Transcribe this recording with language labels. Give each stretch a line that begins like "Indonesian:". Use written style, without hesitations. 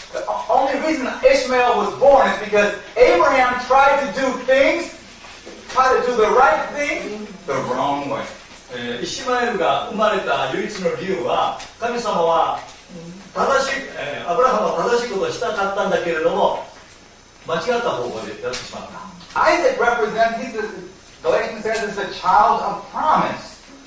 English: The only reason Ishmael was born is because Abraham tried to do things, tried to do the right thing, the wrong way.
Japanese: イシマエルが生まれた唯一の理由は、神様は正しい、アブラハムは正しいことをしたかったんだけれども、間違った方法でやってしまった。
English: Isaac represents, Galatians says, is a child of promise.